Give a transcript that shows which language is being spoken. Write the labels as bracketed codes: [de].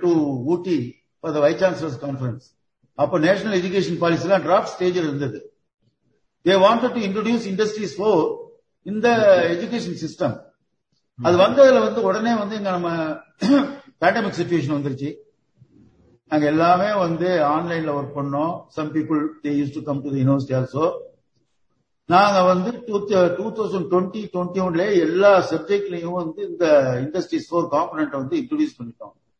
[ta] 2019 wise chancellors conference அப்ப national education policy எல்லாம் draft ஸ்டேஜில் இருந்தது. [en] They wanted to introduce industries 4 in the education system. [ta] அது வந்ததுல வந்து உடனே வந்து இங்க நம்ம பேண்டமிக் சிச்சுவேஷன் வந்துருச்சு. நாங்க எல்லாமே வந்து ஆன்லைன்ல ஒர்க் பண்ணோம். [en] Some people they use to come to the university also. [ta] நாங்க வந்து 2020-21 எல்லா சப்ஜெக்ட்லயும் வந்து இந்த இண்டஸ்ட்ரீஸ் 4 காம்போனன்ட் வந்து இன்ட்ரோடியூஸ் பண்ணிட்டோம்.